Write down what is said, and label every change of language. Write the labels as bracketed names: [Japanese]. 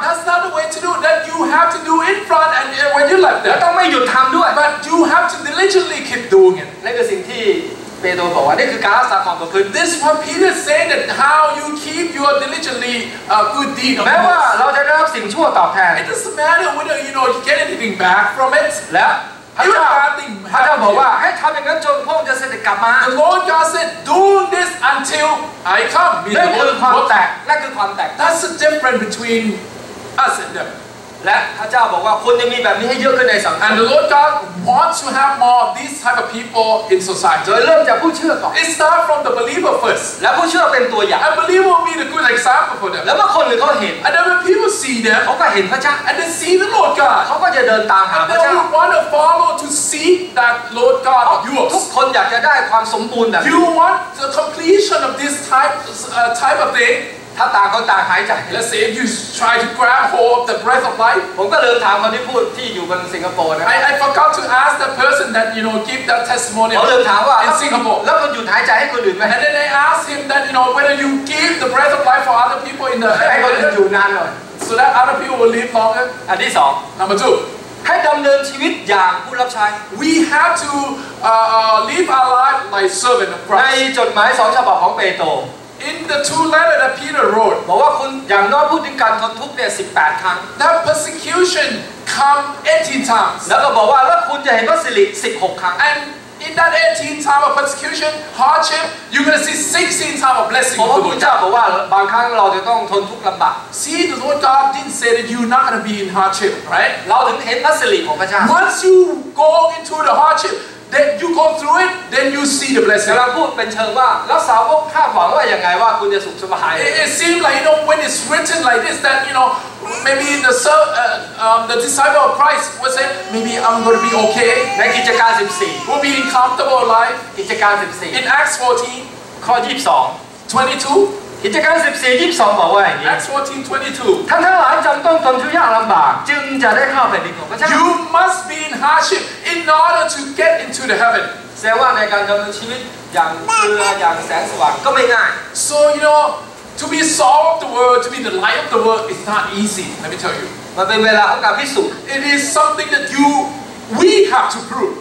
[English] that's not the way to do that you have to do in front and when you left [Thai] แล้วต้องไม่หยุดทำด้วย [English] but you have to diligently keep doing it [Thai] นี่คือสิ่งที่เปโตรบอกว่านี่คือการรักษาความประพฤติ [English] This is what Peter said that how you keep your diligently good deed [Thai] แม้ว่าเราจะได้รับสิ่งชั่วตอบแทน [English] It doesn't matter whether you know you get anything back from it [Thai] แล้วพระเจ้าบอกว่าให้ทำอย่างนั้นจนพระองค์จะเสด็จกลับมา [English] The Lord God said do this until I come [Thai] นั่นคือความแตกนั่นคือความแตก [English] That's the difference between us and them [Thai] และพระเจ้าบอกว่าคุณจะมีแบบนี้ให้เยอะขึ้นในสังคม [English] And the Lord God wants to have more of these type of people in society [Thai] โดยเริ่มจากผู้เชื่อก่อน [English] It start from the believer first [Thai] และผู้เชื่อเป็นตัวอย่าง [English] And believer will be the good example for them [Thai] แล้วเมื่อคนหรือเขาเห็น [English] And then when people see them [Thai] เขาก็เห็นพระเจ้า [English] And they see the Lord God [Thai] เขาก็จะเดินตามหาพระเจ้า [English] And they want to follow to see that Lord God of yours [Thai] ทุกคนอยากจะได้ความสมบูรณ์แบบ [English] You want the completion of this type of thing [Thai] ถ้าต่างคนต่างหายใจ [English] Let's see if you try to grab hold of the breath of life [Thai] ผมก็ลืมถามคนที่พูดที่อยู่บนสิงคโปร์นะ [English] I forgot to ask the person that you know give that testimony [Thai] ผมลืมถามว่า [English] in Singapore [Thai] แล้วคนหยุดหายใจให้คนอื่นไหม [English] And then I asked him that you know whether you give the breath of life for other people in the [Thai] ให้คนอื่นอยู่นานหน่อย [English] So that other people will live longer [Thai] อันที่สอง [English] Number two [Thai] ให้ดำเนินชีวิตอย่างผู้รับใช้ [English] We have to live our life like servant of Christ [Thai] ในจดหมายสองฉบับของเปโตร [English] In the two letters that Peter wrote, [Thai] บอกว่าคุณอย่างน้อยพูดถึงการทนทุกข์เนี่ย18ครั้ง [English] That persecution come 18 times. [Thai] แล้วก็บอกว่าแล้วคุณจะเห็นพระสิริ16ครั้ง [English] And in that 18 time of persecution, hardship, you're gonna see 16 time of blessing. [Thai] เพราะพระเจ้าบอกว่าบางครั้งเราจะต้องทนทุกข์ลำบาก [English] See, the Lord God didn't say that you're not gonna be in hardship, right? [Thai] เราถึงเห็นพระสิริของพระเจ้า [English] Once you go into the hardship. Then you go through it, then you see the blessing. [Thai] เราพูดเป็นเชิงว่าแล้วสาวกคาดหวังว่าอย่างไรว่าคุณจะสุขสบาย [English] It seems like you know when it's written like this that you know maybe the disciple of Christ would say maybe I'm going to be okay. [Thai] ในกิจการ14 [English] will be in comfortable life. [Thai] กิจการ14 [English] in Acts 14 [Thai] ข้อ22 [English] 22 [Thai] กิจการ14 22บอกว่าอย่างนี้ [English] Acts 14 22 [Thai] ท่านทั้งหลายจำต้องทนทุกข์ยากลำบากจึงจะได้เข้าแผ่นดินของพระเจ้า [English] You must be in hardship in order to get into the heaven [Thai] แสดงว่าในการดำเนินชีวิตอย่างเรืออย่างแสงสว่างก็ไม่ง่าย [English] So you know to be salt of the world to be the light of the world is not easy Let me tell you [Thai] มันเป็นเวลาของการพิสูจน์ [English] It is something that we have to prove